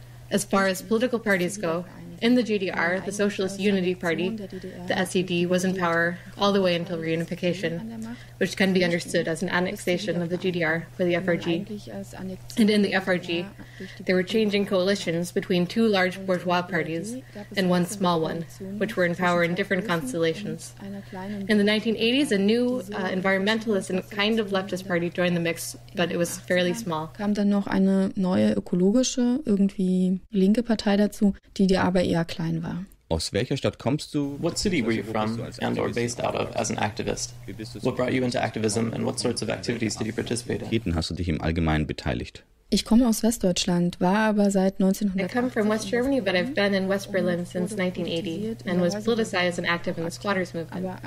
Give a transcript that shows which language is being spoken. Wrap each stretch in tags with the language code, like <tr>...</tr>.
<en>As far as political parties go, in the GDR, the Socialist Unity Party, the SED, was in power all the way until reunification, which can be understood as an annexation of the GDR by the FRG. And in the FRG, there were changing coalitions between two large bourgeois parties and one small one, which were in power in different constellations. In the 1980s, a new environmentalist and kind of leftist party joined the mix, but it was fairly small.</en> <de>Kam dann noch eine neue ökologische, irgendwie linke Partei dazu, die die Arbeit eher klein war. Aus welcher Stadt kommst du?</de> <en>What city were you from and or based out of as an activist? What brought you into activism and what sorts of activities did you participate in?</en> <de>Hast du dich im Allgemeinen beteiligt? Ich komme aus Westdeutschland, war aber seit 1980.</de> <en>I come from West Germany, but I've been in West Berlin since 1980 and was politicized and active in the squatters movement.</en>